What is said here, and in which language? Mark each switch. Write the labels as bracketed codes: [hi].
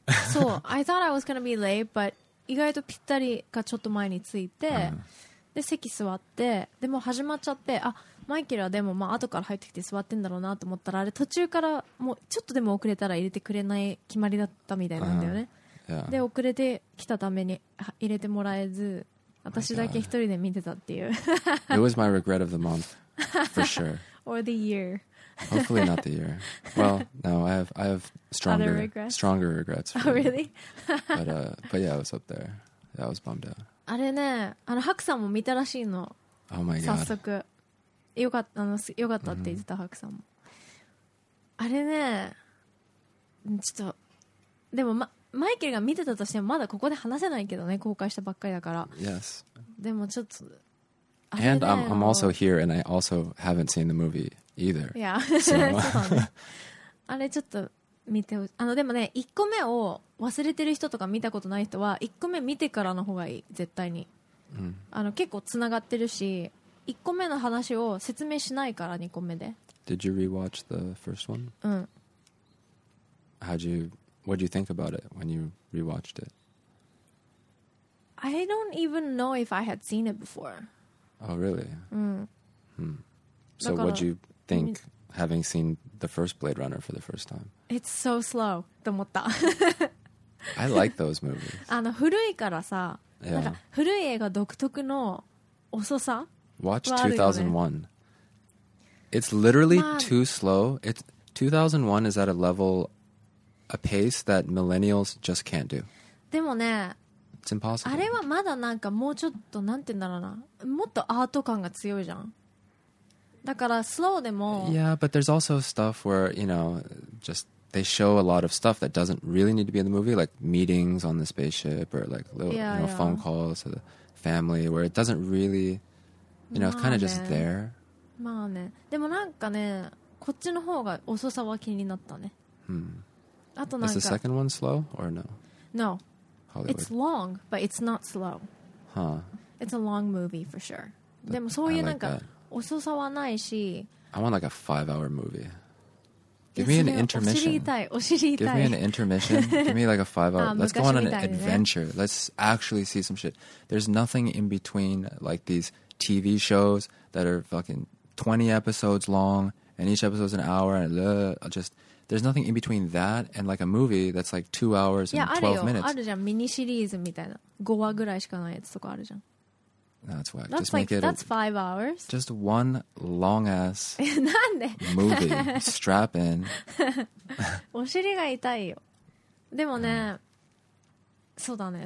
[ja] そう、 [en] I thought I was gonna be late, but [ja] 意外とぴったりかちょっと前に着いて、で席座って、でも始まっちゃって、あマイケルはでもまあ後から入ってきて座ってんだろうなと思ったら、あれ途中からもうちょっとでも遅れたら入れてくれない決まりだったみたいなんだよね、で遅れてきたために入れてもらえず、私だけ一人で見てたっていう。 [en] It was my regret of the month, for sure. Or the year. Hopefully not the year. Well, no, I have stronger regrets. Oh, really? but yeah, I was up there. Yeah, I was bummed out. [ja] あれね、あのハクさんも見たらしいの。 [en] Oh my god. [ja] 早速。よかった、あの、よかったって言ってたハクさんも。あれね、ちょっと、でもま、マイケルが見てたとしてもまだここで話せないけどね、公開したばっかりだから。 [en] Yes. [ja] でもちょっと。 [en] And I'm also here, and I also haven't seen the movie either. Yeah. So. [ja] あれちょっと見てほしい。あのでもね、1個目を忘れてる人とか見たことない人は1個目見てからの方がいい、絶対に。あの結構つながってるし、1個目の話を説明しないから2個目で。 [en] Did you rewatch the first one? How'd you... What do you think about it when you rewatched it? I don't even know if I had seen it before. Oh, really? Mm. So what do you think having seen the first Blade Runner for the first time. It's so slow. [ja] と思った。 [en] I like those movies. [ja] あの古いからさ、なんか古い映画独特の遅さ。 [en] Watch 2001. It's literally too slow. It's 2001 is at a level, a pace that millennials just can't do. [ja] でもね、 [en] It's impossible. [ja] あれはまだなんかもうちょっとなんて言うんだろうな、もっとアート感が強いじゃん。だからスローでも。 [en] Yeah, but there's also stuff where, you know, just they show a lot of stuff that doesn't really need to be in the movie, like meetings on the spaceship or like little, yeah, you know, yeah. phone calls to the family where it doesn't really, you know, it's kind of just there. [ja] まあね。でもなんかね、こっちの方が遅さは気になったね。あとなんか。 [en] Is the second one slow or no? No. Hollywood. It's long, but it's not slow. Huh. It's a long movie for sure. [ja] でもそういうなんか。遅さはないし。 [en] I want like a 5-hour movie. Give me an intermission. [ja] お尻痛い、お尻痛い。 [en] Give me an intermission. Give me like a 5-hour. Let's go on an adventure. Let's actually see some shit. There's nothing in between like these TV shows that are fucking 20 episodes long and each episode is an hour and just there's nothing in between that and like a movie that's like 2 hours and 12 minutes. [ja] いや、あるじゃん、ミニシリーズみたいな。5話ぐらいしかないやつとかあるじゃん。 [en] That's whack. That's just like, that's 5 hours. Just one long ass movie. Strap in. [ja] お尻が痛いよ。でもね、そうだね。